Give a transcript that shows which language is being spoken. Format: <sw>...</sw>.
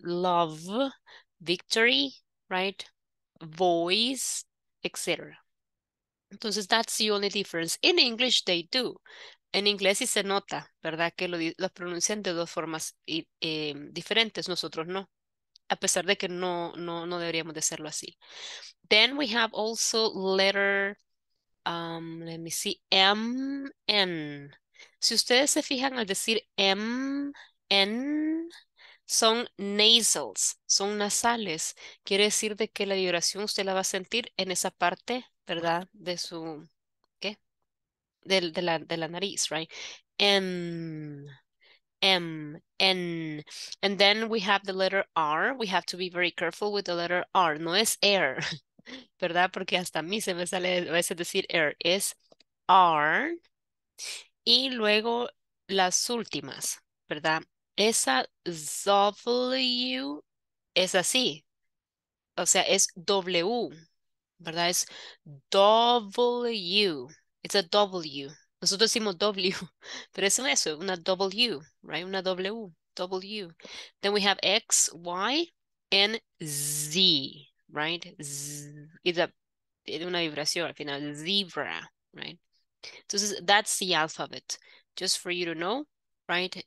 <en>Love, victory, right? Voice, etc. Entonces, that's the only difference. In English, they do.</en> <es>En inglés sí se nota, ¿verdad? Que lo pronuncian de dos formas diferentes. Nosotros no. A pesar de que no deberíamos de hacerlo así.</es> <en>Then we have also letter, let me see, M, N.</en> <es>Si ustedes se fijan al decir M, N, son nasals, son nasales. Quiere decir de que la vibración usted la va a sentir en esa parte, ¿verdad? De su, ¿qué? De la nariz, right?</es> <en>M, M, N. And then we have the letter R. We have to be very careful with the letter R.</en> <es>No es air, ¿verdad? Porque hasta a mí se me sale a veces decir air. Es R. Y luego las últimas, ¿verdad? Esa W es así. O sea, es W, ¿verdad? Es W.</es> <en>It's a W.</en> <es>Nosotros decimos W, pero es eso, una W, right? Una W, W.</es> <en>Then we have X, Y, and Z, right?</en> <es>Z,</es> <en>it's a,</en> <es>tiene una vibración al final, zebra, right?</es> <en>Entonces, that's the alphabet, just for you to know, right?</en>